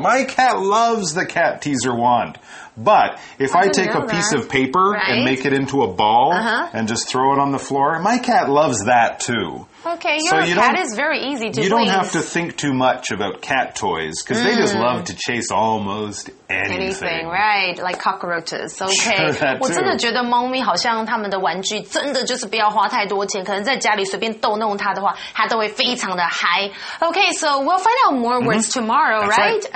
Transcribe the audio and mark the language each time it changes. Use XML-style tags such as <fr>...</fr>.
<en>My cat loves the cat teaser wand. But if I take a piece of paper and make it into a ball and just throw it on the floor, my cat loves that too. Okay, your cat is very easy to please. You don't have to think too much about cat toys because they just love to chase almost anything. Right, like cockroaches. Okay, sure,</en> <zh>我真的觉得猫咪好像他们的玩具真的就是不要花太多钱，可能在家里随便逗弄它的话，它都会非常的 high.</zh> <en>Okay, so we'll find out more words tomorrow, right?</en>